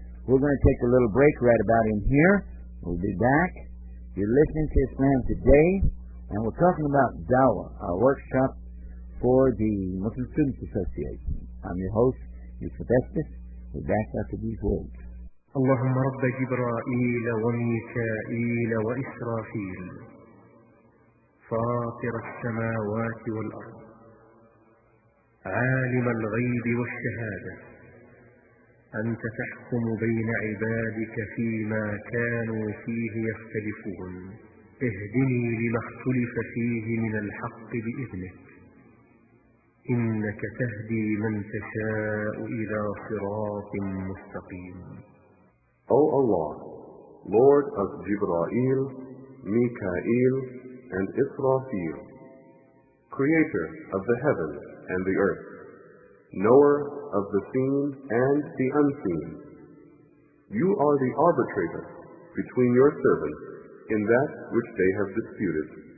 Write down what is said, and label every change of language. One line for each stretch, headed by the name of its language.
English: We're going to take a little break right about in here. We'll be back. You're listening to Islam Today, and we're talking about Dawah, our workshop for the Muslim Students Association. I'm your host, Yusuf Estes. We're back after these words.
Arabic: اللهم رب جبرائيل وميكائيل وإسرافيل فاطر السماوات والأرض عالم الغيب والشهادة أنت تحكم بين عبادك فيما كانوا فيه يختلفون اهدني لما اختلف فيه من الحق بإذنك إنك تهدي من تشاء إلى صراط مستقيم.
English: O Allah, Lord of Jibra'il, Mika'il, and Israfil, Creator of the heavens and the earth, Knower of the seen and the unseen, You are the arbitrator between Your servants in that which they have disputed.